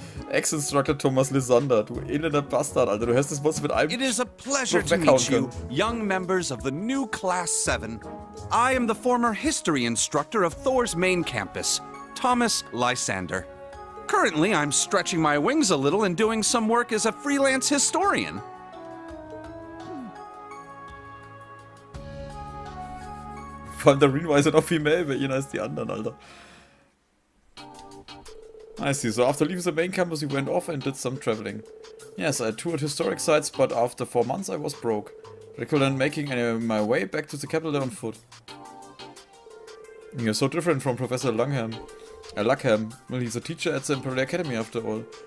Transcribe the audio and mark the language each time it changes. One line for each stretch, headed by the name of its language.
German: Ex-Instructor Thomas Lysander, du elender Bastard, Alter, du hörst das Wort mit einem...
English: It is a pleasure to meet you, young members of the new Class 7. I am the former history instructor of Thor's main campus, Thomas Lysander. Currently, I'm stretching my wings a little and doing some work as a freelance historian.
German: Von der Reen weiß er noch viel mehr über ihn als die anderen, Alter.
English: I see, so after leaving the main campus, he went off and did some traveling. Yes, I toured historic sites, but after 4 months I was broke. Recommend making my way back to the capital on foot. You're so different from Professor Luckham. Well, he's a teacher at the Imperial Academy after all.